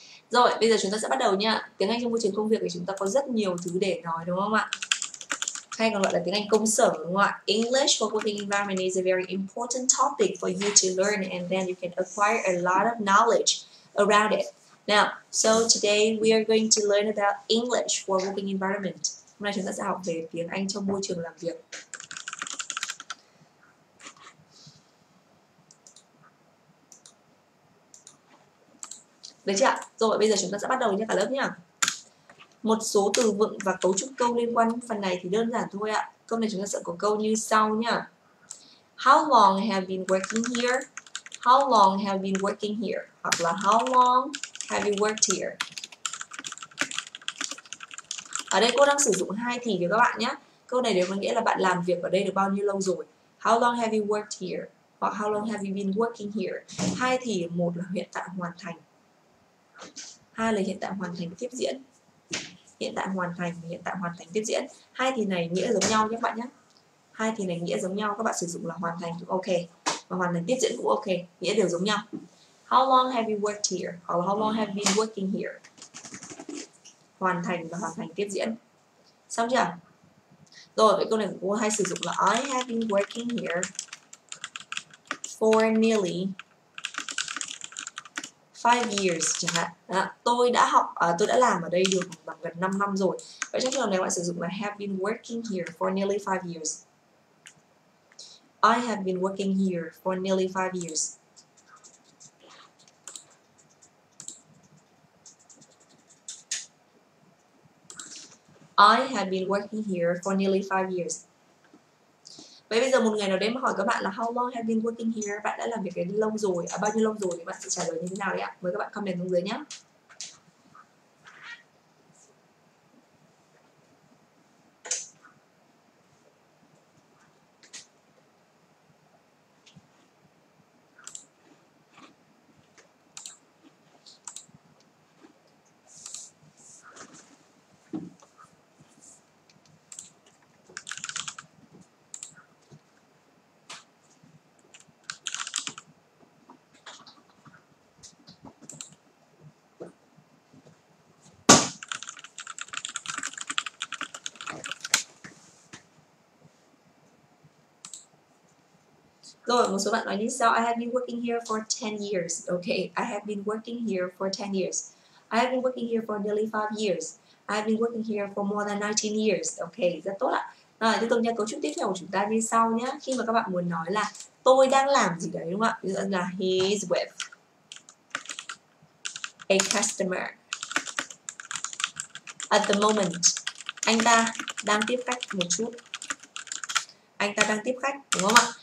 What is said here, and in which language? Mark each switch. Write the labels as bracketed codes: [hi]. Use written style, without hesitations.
[vi] Rồi, bây giờ chúng ta sẽ bắt đầu nha. Tiếng Anh trong môi trường công việc thì chúng ta có rất nhiều thứ để nói đúng không ạ? Hay còn gọi là tiếng Anh công sở đúng không ạ? [en] English for working environment is a very important topic for you to learn and then you can acquire a lot of knowledge around it. Now, so today we are going to learn about English for working environment. [vi] Hôm nay chúng ta sẽ học về tiếng Anh trong môi trường làm việc. Được chưa ạ? Rồi, bây giờ chúng ta sẽ bắt đầu nha cả lớp nha. Một số từ vựng và cấu trúc câu liên quan phần này thì đơn giản thôi ạ. Câu này chúng ta sẽ có câu như sau nha. [en] How long have you been working here? How long have you been working here? [vi] Hoặc là [en] how long have you worked here? [vi] Ở đây cô đang sử dụng hai thì các bạn nhé. Câu này đều có nghĩa là bạn làm việc ở đây được bao nhiêu lâu rồi. [en] How long have you worked here? [vi] Hoặc [en] how long have you been working here? [vi] Hai thì một là hiện tại hoàn thành. Hai là hiện tại hoàn thành tiếp diễn. Hiện tại hoàn thành, hiện tại hoàn thành tiếp diễn. Hai thì này nghĩa giống nhau nhé các bạn nhé. Hai thì này nghĩa giống nhau, các bạn sử dụng là hoàn thành cũng ok. Và hoàn thành tiếp diễn cũng ok, nghĩa đều giống nhau. [en] How long have you worked here? Or how long have you been working here? [vi] Hoàn thành và hoàn thành tiếp diễn. Xong chưa? Rồi, vậy câu này cô hay sử dụng là [en] I have been working here for nearly 5 years [vi] chẳng hạn. À, tôi đã học, tôi đã làm ở đây được bằng gần 5 năm rồi. Vậy trong trường hợp này bạn sử dụng là [en] have been working here for nearly 5 years. I have been working here for nearly 5 years. I have been working here for nearly 5 years. [vi] Vậy bây giờ một ngày nào đấy mà hỏi các bạn là [en] how long have you been working here? [vi] Bạn đã làm việc đấy lâu rồi, à, bao nhiêu lâu rồi thì bạn sẽ trả lời như thế nào đấy ạ? Mời các bạn comment xuống dưới nhé. Rồi, một số bạn nói như sau, [en] I have been working here for 10 years. Okay, I have been working here for 10 years. I have been working here for nearly 5 years. I have been working here for more than 19 years. [vi] Okay, rất tốt ạ. Rồi, tiếp tục nha, cấu trúc tiếp theo của chúng ta như sau nhé. Khi mà các bạn muốn nói là tôi đang làm gì đấy, đúng không ạ? Ví dụ là [en] he's with a customer at the moment. [vi] Anh ta đang tiếp khách một chút. Anh ta đang tiếp khách, đúng không ạ?